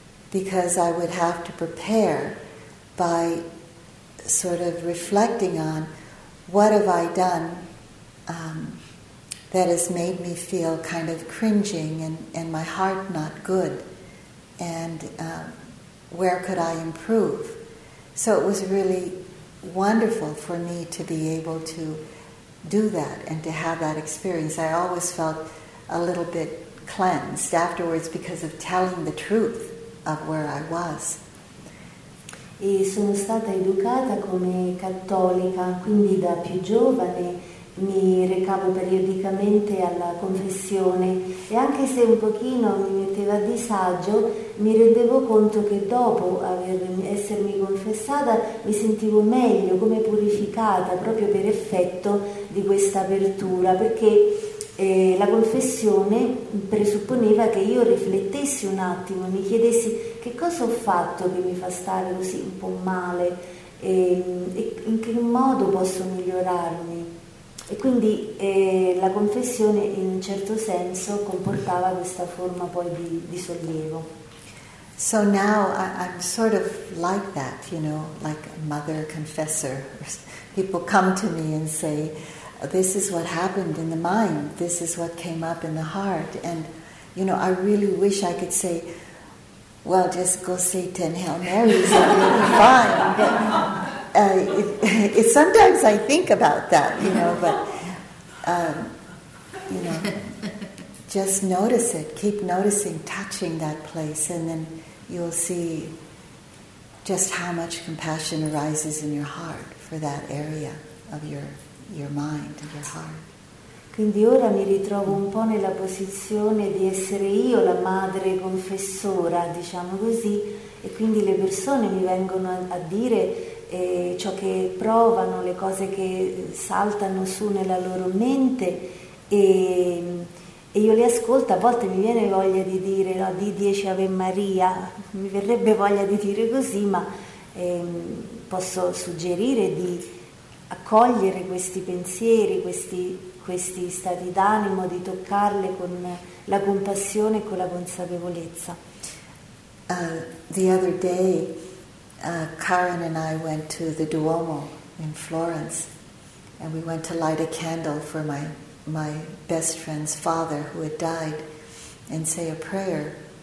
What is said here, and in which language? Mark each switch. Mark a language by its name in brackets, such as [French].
[English] Because I would have to prepare by sort of reflecting on what have I done that has made me feel kind of cringing and my heart not good, and where could I improve? So it was really wonderful for me to be able to do that and to have that experience. I always felt a little bit cleansed afterwards because of telling the truth of where I was. [Italian] E sono stata educata come cattolica, quindi da più giovane mi recavo periodicamente alla confessione e anche se un pochino mi metteva a disagio, mi rendevo conto che dopo essermi confessata mi sentivo meglio, come purificata, proprio per effetto di questa apertura, perché la confessione presupponeva che io riflettessi un attimo, mi chiedessi che cosa ho fatto che mi fa stare così un po' male e in che modo posso migliorarmi. E quindi la confessione in un certo senso comportava questa forma poi di sollievo. [English] So now I'm sort of like that, you know, like a mother confessor. People come to me and say, this is what happened in the mind, this is what came up in the heart. And, you know, I really wish I could say, well, just go say 10 Hail Marys and you'll be fine. But sometimes I think about that, you know, but, you know, just notice it. Keep noticing, touching that place, and then you'll see just how much compassion arises in your heart for that area of your mind, your heart. [Italian] Quindi ora mi ritrovo un po' nella posizione di essere io la madre confessora, diciamo così, e quindi le persone mi vengono a dire ciò che provano, le cose che saltano su nella loro mente e io le ascolto, a volte mi viene voglia di dire no, di 10 Ave Maria, mi verrebbe voglia di dire così, ma posso suggerire di accogliere questi pensieri, questi stati d'animo, di toccarle con la compassione e con la consapevolezza. [English] The other day, Karen and I went to the Duomo in Florence and we went to light a candle for my best friend's father who had died and say a prayer.